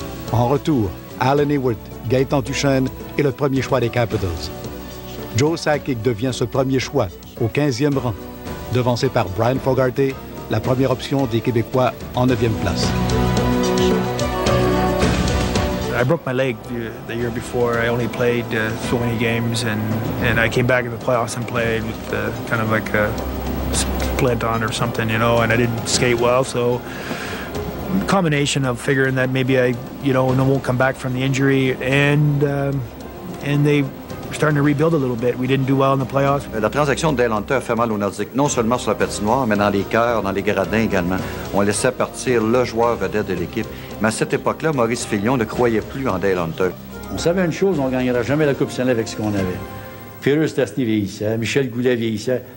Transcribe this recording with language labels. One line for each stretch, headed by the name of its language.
French: En retour, Alan Ewart, Gaëtan Duchesne et le premier choix des Capitals. Joe Sakic devient ce premier choix au 15e rang, devancé par Brian Fogarty, la première option des Québécois en 9e place.
English: I broke my leg the year before. I only played so many games and I came back in the playoffs and played with kind of like a splint on or something, you know, and I didn't skate well. So combination of figuring that maybe I, you know, no, won't come back from the injury and they were starting to rebuild a little bit. We didn't do well in the playoffs.
French: La transaction de Dale Hunter fait mal aux Nordiques, non seulement sur la patinoire, mais dans les cœurs, dans les gradins également. On laissait partir le joueur vedette de l'équipe. Mais à cette époque-là, Maurice Filion ne croyait plus en Dale Hunter. On savait une chose, on ne gagnera jamais la Coupe Stanley avec ce qu'on avait. Pierre Stastny vieillissait, Michel Goulet vieillissait.